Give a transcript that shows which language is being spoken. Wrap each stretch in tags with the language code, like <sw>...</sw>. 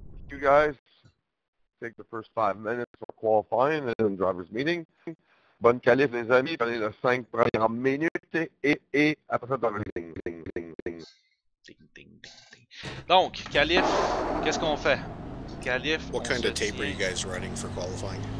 <en>You guys take the first 5 minutes for qualifying and then driver's meeting.</en> <fr>Bonne qualif, les amis. Prenez les 5 premières minutes et après ça, ding. Donc, qualif, qu'est-ce qu'on fait? Qualif.</fr> <en>What kind of tape are you guys running for qualifying?</en>